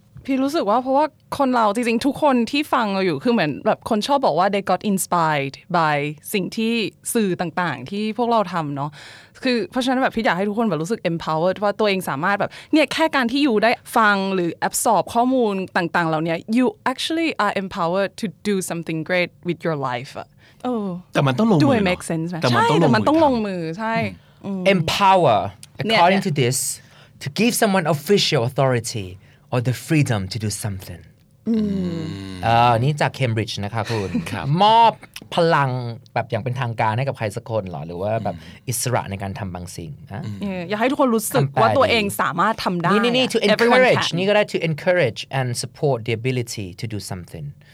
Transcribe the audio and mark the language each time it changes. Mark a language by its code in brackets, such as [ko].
[th] พี่รู้สึกว่าเพราะว่าคนเราจริงๆทุกคนที่ฟังเราอยู่คือเหมือนแบบคนชอบบอกว่า [en] they got inspired by [th] สิ่งที่สื่อต่างๆที่พวกเราทำเนาะคือเพราะฉะนั้นแบบพี่อยากให้ทุกคนแบบรู้สึก empowered ว่าตัวเองสามารถแบบเนี่ยแค่การที่อยู่ได้ฟังหรือ absorb ข้อมูลต่างๆเหล่านี้ [en] you actually are empowered to do something great with your life [th] แต่มันต้องลงมือ ด้วย [en] make sense [th] ไหม ใช่แต่มันต้องลงมือใช่ [en] empower according to this to give someone official authorityor the freedom to do something. [th] นี่จาก Cambridge นะคะคุณ มอบพลังแบบอย่างเป็นทางการให้กับใครสักคนหรอหรือว่าแบบอิสระในการทำบางสิ่ง อยากให้ทุกคนรู้สึกว่าตัวเองสามารถทำได้นี่ [en] to encourage นี่ก็ได้ to encourage and support the ability to do something.